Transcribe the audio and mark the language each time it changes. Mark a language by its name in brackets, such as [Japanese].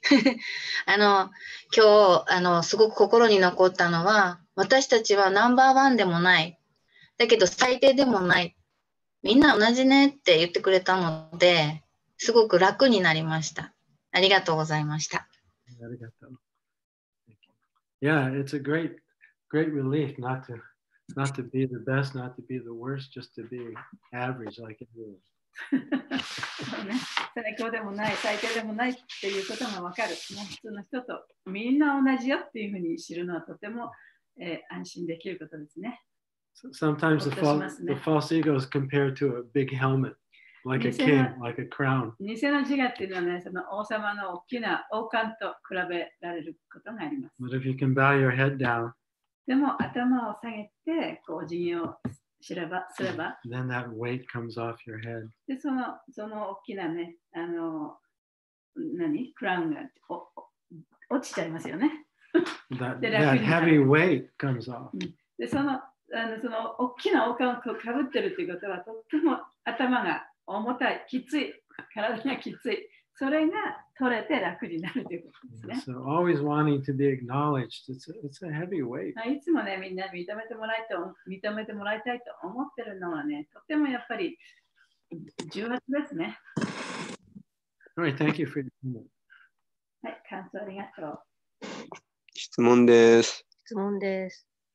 [Japanese] 今日すごく心に残ったのは、私たちはナンバーワンでもないだけど最低でもない、みんな同じねって言ってくれたので、すごく楽になりました。ありがとうございました。ありがとう。 [English] Yeah, it's a great, great relief not to be the best, not to be the worst, just to be average like it is. [Japanese] 最高でもない最低でもないっていうことが分かる、普通の人とみんな同じよっていうふうに知るのはとても、安心できることですね。 [English] Sometimes the false ego is compared to a big helmet, like a king, like a crown. [Japanese] 偽の自我っていうのはね、その王様の大きな王冠と比べられることがあります。 [English] But if you can bow your head down, [Japanese] でも頭を下げてこう辞儀をすれば、 [English] then that weight comes off your head. [Japanese] で、その大きなね、何？クラウンが落ちちゃいますよね。 [English] that heavy weight comes off. [Japanese] で、その大きな王冠をかぶってるっていうことは、とっても頭が重たい、きつい、体がきつい。それが取れて楽になるということですね。 [English] So always wanting to be acknowledged, it's a heavy weight. [Japanese] いつもね、みんな認めてもらいたいと思ってるのはね、とてもやっぱり重圧ですね。 [English] All right, thank you for your time. [Japanese] はい、感想ありがとう。質問です。質問です。